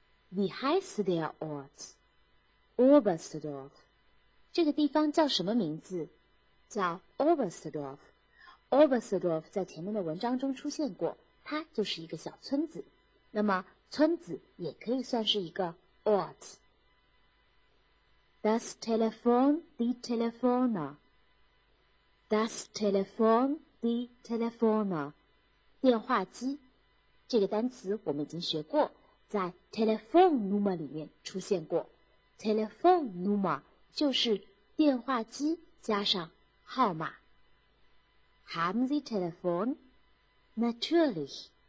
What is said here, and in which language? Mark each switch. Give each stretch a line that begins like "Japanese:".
German: Wie heißt der Ort? Oberstdorf.
Chinese: 这个地方叫什么名字？叫 Oberstdorf。 Oberstdorf 在前面的文章中出现过，它就是一个小村子，那么村子也可以算是一个 Ort。
German: Das Telefon, die Telefone. Das Telefon, die Telefone.
Chinese: 电话机。这个单词我们已经学过，在 Telefonnummer 里面出现过。 Telefonnummer 就是电话机加上号码。
German: Haben Sie Telefon? Natürlich.